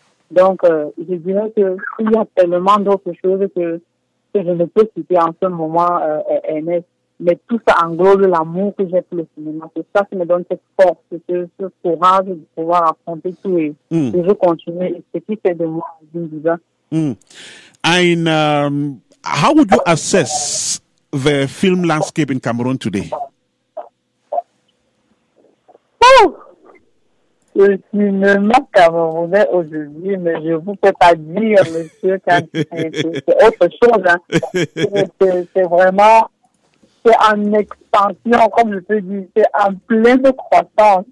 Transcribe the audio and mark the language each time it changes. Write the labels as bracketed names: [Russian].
[French] Donc, je dirais qu'il y a tellement d'autres choses que je ne peux citer en ce moment, mais tout ça englobe l'amour que j'ai pour le cinéma. C'est ça qui me donne cette force, ce courage de pouvoir affronter tout et toujours continuer. Et ce qui fait de moi, je dis ça. [English] How would you assess the film landscape in Cameroon today? Oh! [French] Le cinéma camerounais aujourd'hui, mais je ne vous peux pas dire, monsieur, c'est autre chose. Hein. C'est vraiment... C'est en expansion, comme je te dis, c'est en pleine croissance.